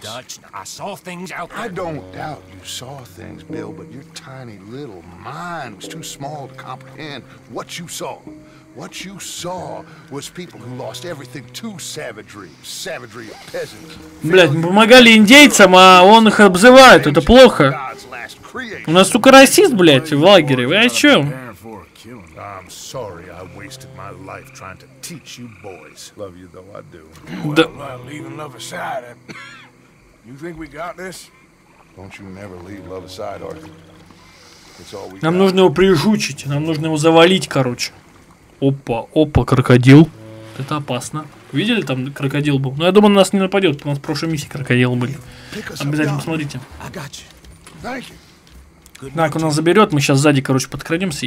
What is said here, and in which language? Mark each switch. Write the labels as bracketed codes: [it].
[en] Dutch, I saw things out there. I don't doubt you saw things, Bill, but your tiny little mind was too small to comprehend what you saw. What you saw was people who lost everything to savagery, savagery of peasants. [ru] Блядь, мы помогали индейцам, а он их обзывает, это плохо. У нас только расист, блядь, в лагере, вы о чем? [en] I'm sorry I wasted my life trying to teach you boys. Love you though, I do. Well, leaving love aside, you think we got this? Don't you never leave love aside, Arthur. It's all we got. [ru] Нам нужно его прижучить, нам нужно его завалить, короче. Опа, опа, крокодил. Это опасно. Видели там крокодил был? Ну, я думаю, он нас не нападет. У нас в прошлой миссии крокодил были. Обязательно посмотрите. Так, он нас заберет, мы сейчас сзади, короче, подкрадемся.